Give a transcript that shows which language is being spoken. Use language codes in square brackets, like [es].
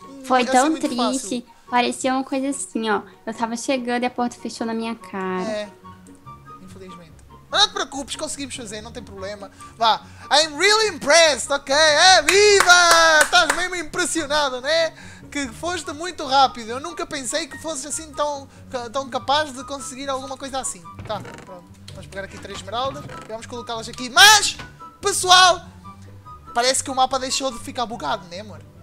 [pt] Foi tão triste. Fácil. Parecia uma coisa assim, ó. Eu tava chegando e a porta fechou na minha cara. É, Mas não te preocupes, conseguimos fazer, não tem problema. Vá. [en] I'm really impressed, ok? [pt] É, viva! Estás mesmo impressionado, não é? Que foste muito rápido. Eu nunca pensei que fosses assim tão capaz de conseguir alguma coisa assim. Tá, pronto. Vamos pegar aqui 3 esmeraldas e vamos colocá-las aqui. Mas, pessoal, parece que o mapa deixou de ficar bugado, né, amor?